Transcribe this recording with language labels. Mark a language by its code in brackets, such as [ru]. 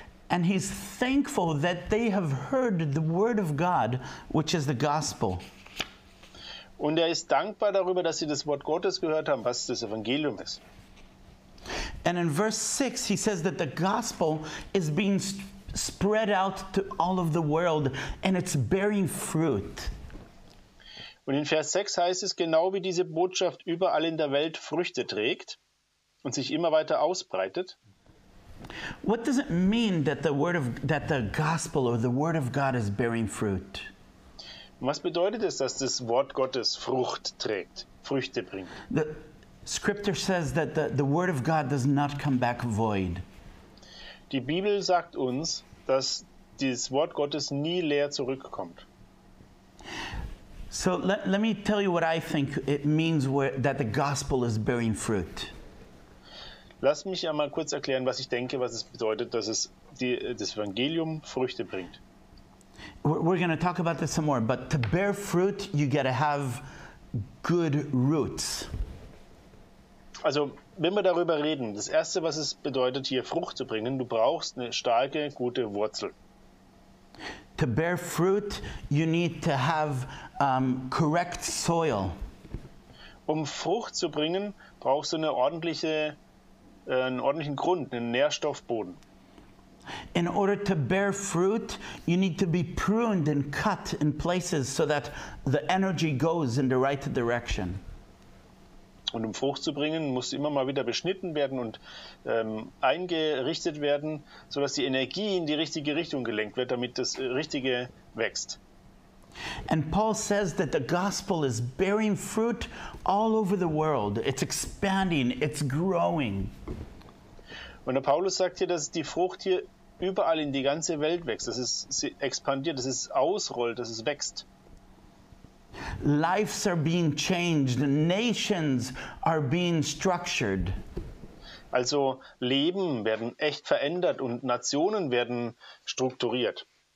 [en] And he's thankful that they have heard the word of God, which is the gospel. [de] Und er ist dankbar darüber, dass sie das Wort Gottes gehört haben, was das Evangelium ist. [en] And in verse 6, he says that the gospel is being spread out to all of the world and it's bearing fruit. [de] Und in Vers 6 heißt es, genau wie diese Botschaft überall in der Welt Früchte trägt und sich immer weiter ausbreitet. [en] What does it mean that the gospel or the word of God is bearing fruit? [de] Was bedeutet es, dass das Wort Gottes Frucht trägt, Früchte bringt? [en] The Scripture says that the word of God does not come back void. [de] Die Bibel sagt uns, dass das Wort Gottes nie leer zurückkommt. [en] So let me tell you what I think it means that the gospel is bearing fruit. [de] Lass mich einmal kurz erklären, was ich denke, was es bedeutet, dass es das Evangelium Früchte bringt. [en] We're going to talk about this some more, but to bear fruit, you got to have good roots. [de] Also, wenn wir darüber reden, das Erste, was es bedeutet, hier Frucht zu bringen, du brauchst eine starke, gute Wurzel. [en] To bear fruit, you need to have correct soil. [de] Um Frucht zu bringen, brauchst du einen ordentlichen Grund, einen Nährstoffboden. [en] In order to bear fruit, you need to be pruned and cut in places so that the energy goes in the right direction. [de] Und um Frucht zu bringen, muss immer mal wieder beschnitten werden und eingerichtet werden, sodass die Energie in die richtige Richtung gelenkt wird, damit das Richtige wächst. [en] And Paul says that the gospel is bearing fruit all over the world. It's expanding, it's growing. [de] Und der Paulus sagt hier, dass die Frucht hier überall in die ganze Welt wächst, dass es expandiert, dass es ausrollt, dass es wächst. Lives are being changed, nations are being structured. Also Leben werden echt verändert und Nationen werden strukturiert.